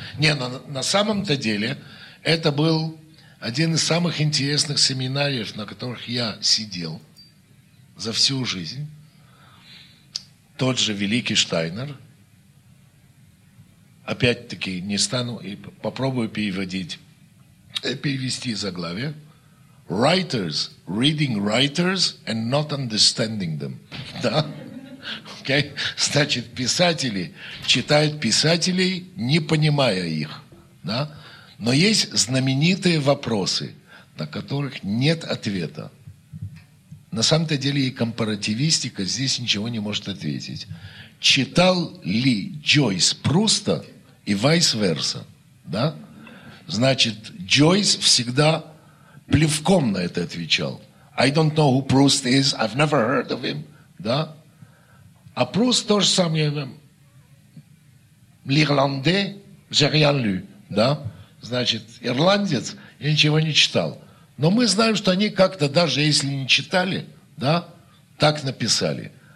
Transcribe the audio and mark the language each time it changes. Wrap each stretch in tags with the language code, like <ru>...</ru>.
<ru>Не, на самом-то деле, это был один из самых интересных семинариев, на которых я сидел за всю жизнь. Тот же великий Штайнер. Опять-таки, не стану, и попробую перевести заглавие.</ru> <en>Writers, reading writers and not understanding them.</en> <ru>Да? Okay? Значит, писатели читают писателей, не понимая их. Да? Но есть знаменитые вопросы, на которых нет ответа. На самом-то деле и компаративистика здесь ничего не может ответить. Читал ли Джойс Пруста и vice versa? Да? Значит, Джойс всегда... плевком на это отвечал.</ru> <en>I don't know who Proust is, I've never heard of him.</en> <ru>Да? А Proust тоже самое.</ru> <fr>L'Irlandais, j'ai rien lu.</fr> <ru>Да? Значит, ирландец, я ничего не читал. Но мы знаем, что они как-то, даже если не читали, да, так написали.</ru>